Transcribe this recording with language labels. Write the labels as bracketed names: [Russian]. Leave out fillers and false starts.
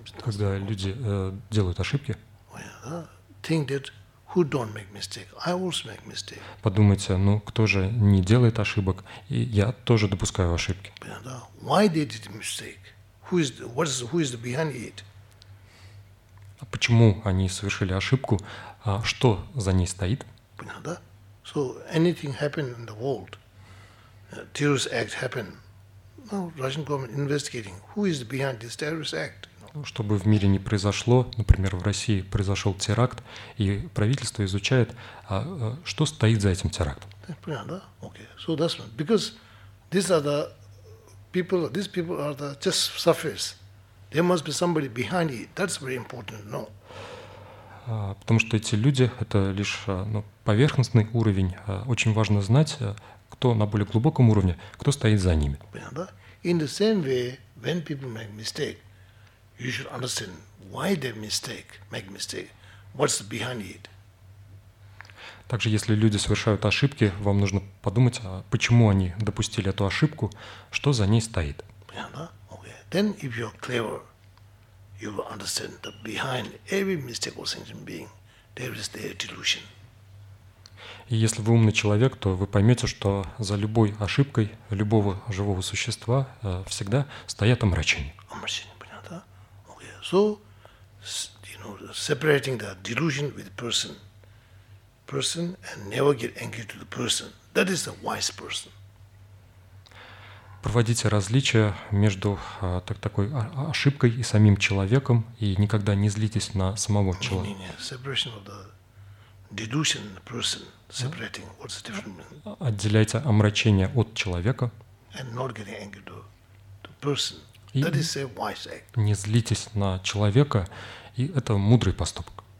[Russian] когда люди делают ошибки, [English] think that who don't make mistake, I also make mistake. [Russian] Подумайте, ну кто же не делает ошибок, и я тоже допускаю ошибки. [English] Why they did mistake? Who is behind it? [Russian] Почему они совершили ошибку? Что за ней стоит? Понятно? [English] So anything happened in the world, terrorist act happened. No, Russian government investigating. Who is behind this terrorist act? [Russian] Чтобы в мире не произошло, например, в России произошел теракт, и правительство изучает, что стоит за этим терактом. Понятно? [English] Okay. So that's one. Because these people are just surface. There must be somebody behind it. That's very important to know. [Russian] Потому что эти люди — это лишь поверхностный уровень. Очень важно знать, кто на более глубоком уровне, кто стоит за ними. [English] In the same way, when people make mistake, you should understand why they make mistake, what's behind it. [Russian] Также, если люди совершают ошибки, вам нужно подумать, а почему они допустили эту ошибку, что за ней стоит. [English] Okay. Then, if you're clever, you will understand that behind every mistake of sentient being, there is their delusion. [Russian] И если вы умный человек, то вы поймете, что за любой ошибкой любого живого существа всегда стоят омрачения. Омрачения, понятно? [English] Okay. So, you know, separating the delusion with person and never get angry to the person. That is a wise person. [Russian] Проводите различия между такой ошибкой и самим человеком и никогда не злитесь на самого человека. [English] Не, separation of the delusion and the person. Separating. What's the difference? [Russian] Отделяйте омрачение от человека. [English] And not getting angry to the person. That is a wise act. [Russian] Не злитесь на человека, и это мудрый поступок.